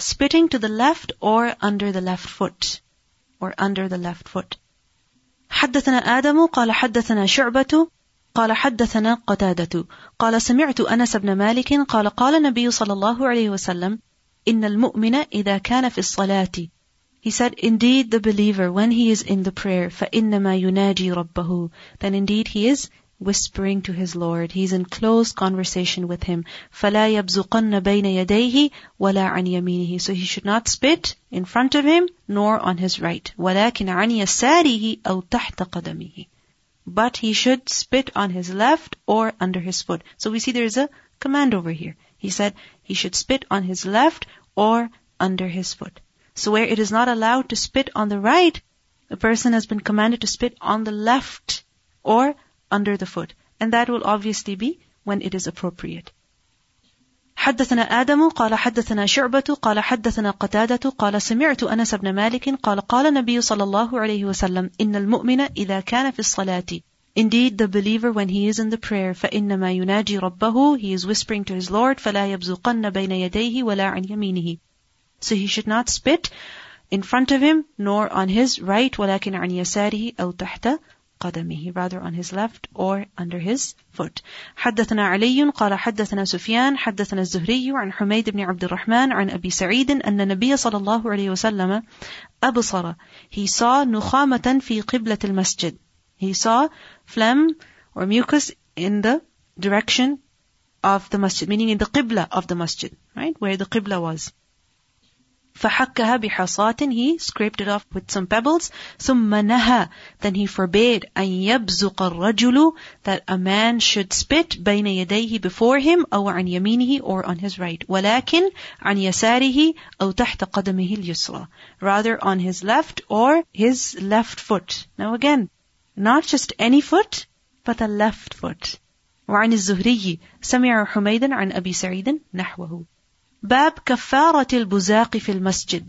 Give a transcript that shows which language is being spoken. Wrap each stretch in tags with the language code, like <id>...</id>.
<en>Spitting to the left or under the left foot. Or under the left foot.</en> <ar>حدثنا آدم قال حدثنا شعبة قال حدثنا قتادة قال سمعت أنس بن مالك قال قال النبي صلى الله عليه وسلم إن المؤمن إذا كان في الصلاة.</ar> <en>He said, indeed the believer, when he is in the prayer,</en> <ar>فَإِنَّمَا يُنَاجِي رَبَّهُ,</ar> <en>then indeed he is whispering to his Lord. He's in close conversation with him.</en> <ar>فَلَا يَبْزُقَنَّ بَيْنَ يَدَيْهِ وَلَا عَنْ يَمِينِهِ.</ar> <en>So he should not spit in front of him, nor on his right.</en> <ar>وَلَكِنْ عَنْ يَسَارِهِ أَوْ تَحْتَ قَدَمِهِ.</ar> <en>But he should spit on his left or under his foot. So we see there is a command over here. He said he should spit on his left or under his foot. So where it is not allowed to spit on the right, the person has been commanded to spit on the left or under the foot. And that will obviously be when it is appropriate.</en> <ar>حدثنا آدم قال حدثنا شعبة قال حدثنا قتادة قال سمعت أنس بن مالك قال قال النبي صلى الله عليه وسلم إن المؤمن إذا كان في الصلاة.</ar> <en>Indeed, the believer, when he is in the prayer,</en> <ar>فَإِنَّمَا يُنَاجِي رَبَّهُ,</ar> <en>he is whispering to his Lord,</en> <ar>فَلَا يَبْزُقَنَّ بَيْنَ يَدَيْهِ وَلَا عَنْ يَمِينِهِ.</ar> <en>So he should not spit in front of him, nor on his right,</en> <ar>وَلَكِنْ عَنْ يَسَارِهِ أَوْ تَحْتَ قَدَمِهِ,</ar> <en>rather on his left or under his foot.</en> <ar>حدثنا علي قال حدثنا سفيان حدثنا الزهري عن حميد بن عبد الرحمن عن أبي سعيد أن النبي صلى الله عليه وسلم أبصر.</ar> <en>He saw</en> <ar>نخامة في قبلة المسجد.</ar> <en>He saw phlegm or mucus in the direction of the masjid, meaning in the qibla of the masjid, right? Where the qibla was.</en> <ar>فَحَكَّهَا بِحَصَاتٍ,</ar> <en>he scraped it off with some pebbles.</en> <ar>ثُمَّ نَهَا,</ar> <en>then he forbade</en> <ar>أَن يَبْزُقَ الرَّجُلُ,</ar> <en>that a man should spit</en> <ar>بَيْنَ يَدَيْهِ</ar> <en>before him,</en> <ar>أو عَنْ يَمِينِهِ,</ar> <en>or on his right.</en> <ar>وَلَكِنْ عَنْ يَسَارِهِ أَوْ تَحْتَ قَدَمِهِ الْيُسْرَى,</ar> <en>rather on his left or his left foot. Now again, not just any foot, but the left foot.</en> <ar>وعن الزهري سمع حميدا عن أبي سعيد نحوه. باب كفارة البزاق في المسجد.</ar>